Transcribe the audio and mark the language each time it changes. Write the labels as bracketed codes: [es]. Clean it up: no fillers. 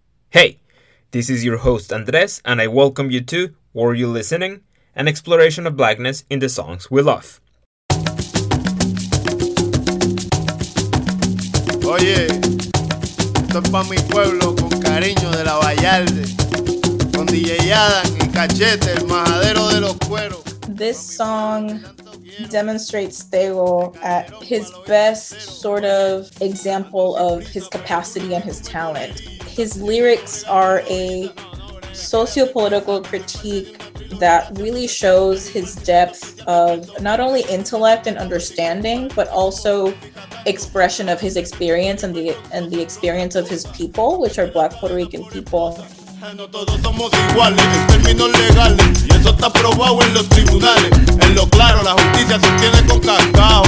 [en] Hey, this is your host Andres, and I welcome you to Were You Listening? An exploration of blackness in the songs we love. [es] Oye, esto es pa' mi pueblo con cariño de la Vallarde, con DJ Adam y Cachete, el majadero de los cueros. [en] This song demonstrates Tego at his best sort of example of his capacity and his talent. His lyrics are a sociopolitical critique that really shows his depth of not only intellect and understanding, but also expression of his experience and the experience of his people, which are Black Puerto Rican people. [es] No todos somos iguales en términos legales, y eso está probado en los tribunales. En lo claro, la justicia se tiene con cascajo.